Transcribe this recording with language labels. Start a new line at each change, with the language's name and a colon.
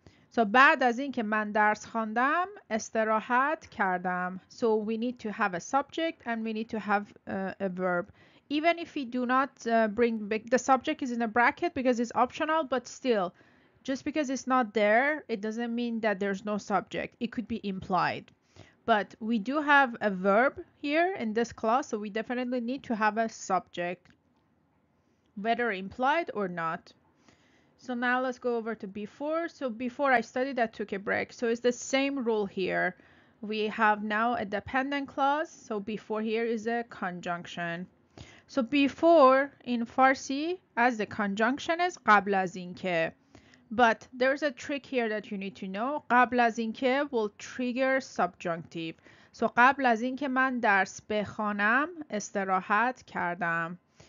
English: So
Persian: بعد از این که من درس خواندم استراحت کردم.
English: So we need to have a subject and we need to have a verb. Even if we do not bring the subject is in a bracket because it's optional, but still, just because it's not there, it doesn't mean that there's no subject. It could be implied. But we do have a verb here in this clause, so we definitely need to have a subject, whether implied or not. So now let's go over to before. So before I studied, I took a break. So it's the same rule here. We have now a dependent clause. So before here is a conjunction. So before in Farsi, as the conjunction is
Persian: قبل از اینکه.
English: But there's a trick here that you need to know.
Persian: قبل از اینکه
English: will trigger subjunctive. So
Persian: قبل از اینکه من درس بخوانم استراحت کردم.